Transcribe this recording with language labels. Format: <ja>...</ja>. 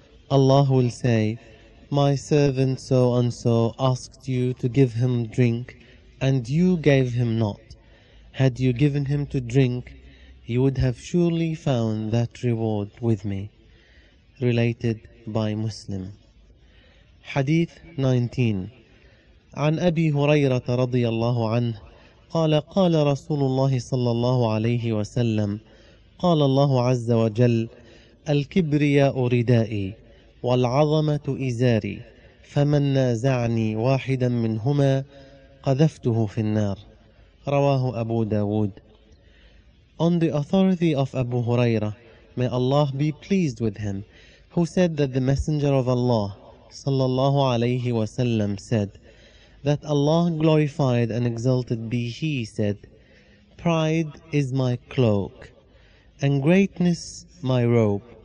<en>Allah will say, My servant so-and-so asked you to give him drink, and you gave him not. Had you given him to drink, you would have surely found that reward with me. Related by Muslim. Hadith 19.</en> <ar>عن أبي هريرة رضي الله عنه قال قال رسول الله صلى الله عليه وسلم قال الله عز وجل الكبرياء ردائي والعظمة إزاري فمن نازعني واحدا منهما قذفته في النار. رواه أبو داود.</ar> <en>On the authority of Abu Huraira, may Allah be pleased with him, who said that the Messenger of Allah, sallallahu alayhi wa sallam, said that Allah glorified and exalted be He said, Pride is my cloak and greatness my robe.</en>